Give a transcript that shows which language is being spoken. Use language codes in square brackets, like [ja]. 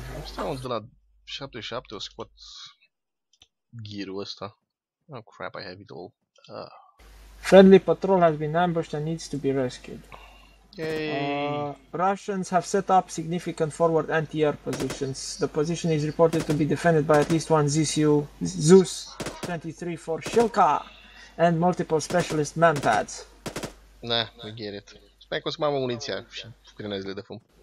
[ro] Asta unul de la 77, o scot gear-ul ăsta. [en] Oh crap, I have it all. Friendly patrol has been ambushed and needs to be rescued. Yay. Russians have set up significant forward anti-air positions. The position is reported to be defended by at least one Zeus 23 for Shilka and multiple specialist manpads. Nah, we get it. [ro] Sper că o să mai am muniția și grenadele de fum.